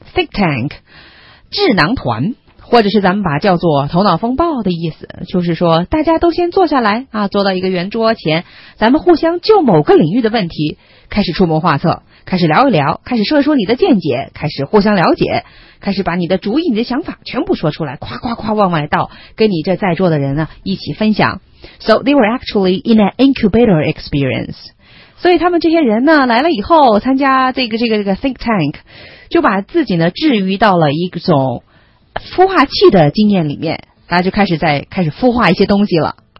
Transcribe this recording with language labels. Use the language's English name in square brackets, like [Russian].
[Chinese] Think tank, 智囊团，或者是咱们把叫做头脑风暴的意思，就是说大家都先坐下来啊，坐到一个圆桌前，咱们互相就某个领域的问题开始出谋划策。开始聊一聊，开始说一说你的见解，开始互相了解，开始把你的主意、你的想法全部说出来，夸夸夸往外倒，跟你这在座的人呢一起分享。 [English] So they were actually in an incubator experience. [Chinese] 所以他们这些人呢来了以后，参加这个 think tank， 就把自己呢置于到了一种孵化器的经验里面，大家就开始孵化一些东西了。